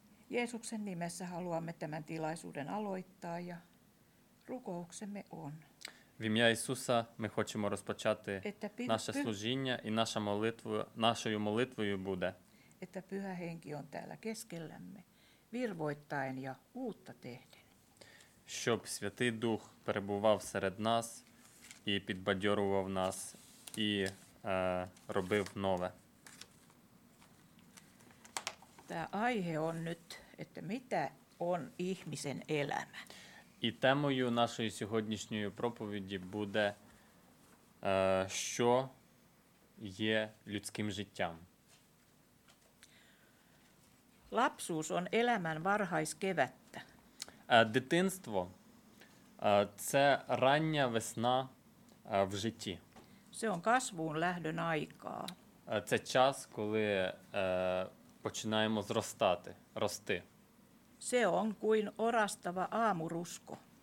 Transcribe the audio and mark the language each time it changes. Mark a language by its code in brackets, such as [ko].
[fi] Jeesuksen nimessä haluamme tämän tilaisuuden aloittaa ja rukouksemme on. [uk] В ім'я Ісуса ми хочемо розпочати наше служіння і наша молитва, нашою молитвою буде. [fi] Että Pyhä Henki on täällä keskellämme, virvoittain ja uutta tehden. [uk] Щоб Святий Дух перебував серед нас і підбадьорював нас і робив нове. [fi] Tämä aihe on nyt, että mitä on ihmisen elämä. [uk] І темою нашої сьогоднішньої проповіді буде, що є людським життям. [fi] Lapsuus on elämän varhaiskevättä. [uk] Дитинство – це рання весна в житті. [fi] Se on kasvuun lähdön aikaa. [uk] Це час, коли починаємо зростати, рости. [fi] Se on kuin orastava aamurusko.